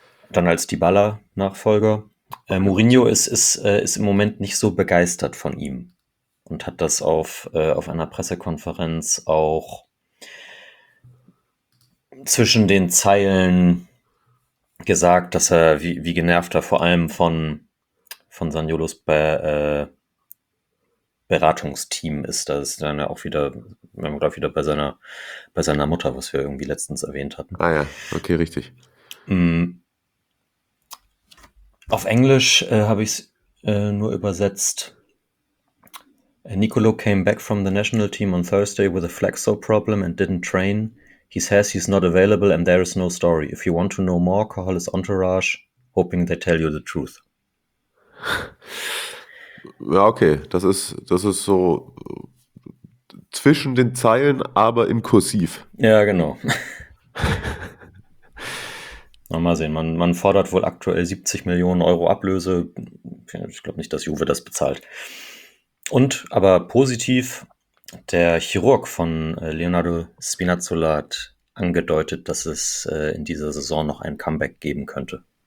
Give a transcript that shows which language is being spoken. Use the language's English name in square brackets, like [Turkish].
[German] Dann als Dybala-Nachfolger. Mourinho ist im Moment nicht so begeistert von ihm und hat das auf einer Pressekonferenz auch zwischen den Zeilen gesagt, dass er wie genervt er vor allem von Zaniolos Beratungsteam ist. Das ist dann ja auch wieder, wir haben gerade wieder bei seiner Mutter, was wir irgendwie letztens erwähnt hatten. Ah ja, okay, richtig. Auf Englisch habe ich es nur übersetzt. [English] Nicolo came back from the national team on Thursday with a flexor problem and didn't train. He says he's not available and there is no story. If you want to know more, call his entourage, hoping they tell you the truth. [German] Ja, okay. Das ist so zwischen den Zeilen, aber in Kursiv. Ja, genau. Mal sehen, man fordert wohl aktuell 70 Millionen Euro Ablöse. Ich glaube nicht, dass Juve das bezahlt. Und, aber positiv, der Chirurg von Leonardo Spinazzola hat angedeutet, dass es in dieser Saison noch ein Comeback geben könnte.